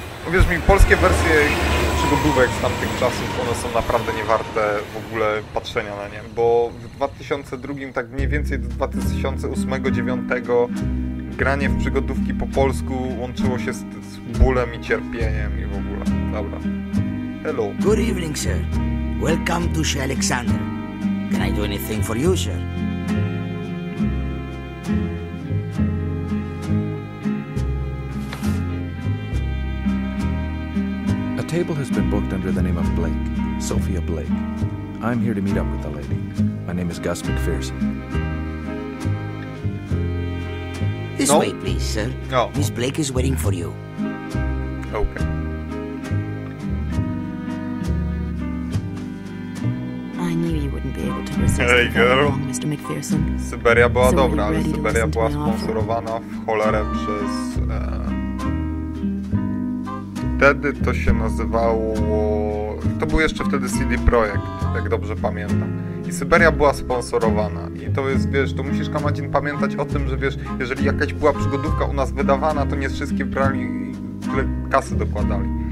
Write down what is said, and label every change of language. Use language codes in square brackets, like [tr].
[pl] Uwierz mi, polskie wersje przygodówek z tamtych czasów, one są naprawdę niewarte w ogóle patrzenia na nie, bo w 2002, tak mniej więcej do 2008-2009 granie w przygodówki po polsku łączyło się z bólem i cierpieniem i w ogóle. Dobra. Hello. [en] Good evening, sir. Welcome to Chez Alexandre. Can I do anything for you, sir? The table has been booked under the name of Blake, Sophia Blake. I'm here to meet up with the lady. My name is Gus McPherson. This way, please, sir. No. Miss Blake is waiting for you. Okay. I knew you wouldn't be able to resist the phone call, Mr. McPherson. [pl] Syberia była dobra, ale Syberia była sponsorowana w cholerę przez... Wtedy to się nazywało... To był jeszcze wtedy CD Projekt, jak dobrze pamiętam. I Syberia była sponsorowana. I to jest, wiesz, to musisz, Kamadzin, pamiętać o tym, że wiesz, jeżeli jakaś była przygodówka u nas wydawana, to nie wszystkie brali, tyle kasy dokładali.